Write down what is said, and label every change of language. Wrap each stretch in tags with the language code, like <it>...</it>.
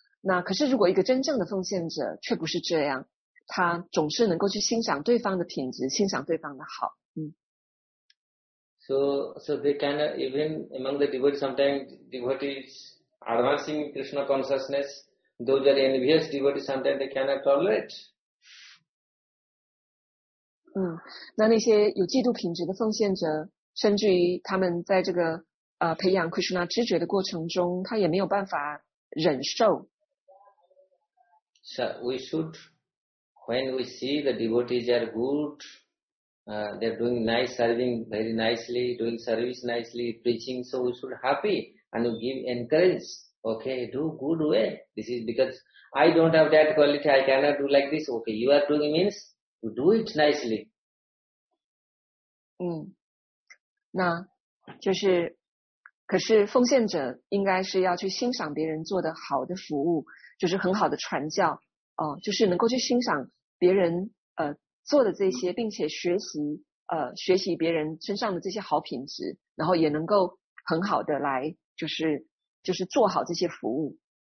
<zh>那可是如果一个真正的奉献者却不是这样，他总是能够去欣赏对方的品质，欣赏对方的好。嗯。</zh> <en>So they kind of even among the devotees, sometimes devotees advancing Krishna consciousness, those are envious devotees, sometimes they cannot tolerate.</en> <zh>嗯，那些有嫉妒品质的奉献者，甚至于他们在这个培养 Krishna 知觉的过程中，他也没有办法忍受。</zh> <en>So we should. When we see the devotees are good, they're doing nice, serving very nicely, doing service nicely, preaching, so we should happy and we give encourage. Okay, do good way. This is because I don't have that quality, I cannot do like this. Okay, you are doing means to do it nicely.</en> <zh>嗯，那就是，可是奉献者应该是要去欣赏别人做的好的服务，就是很好的传教，就是能够去欣赏别人做的这些，并且学习别人身上的这些好品质，然后也能够很好的来就是做好这些服务。</zh>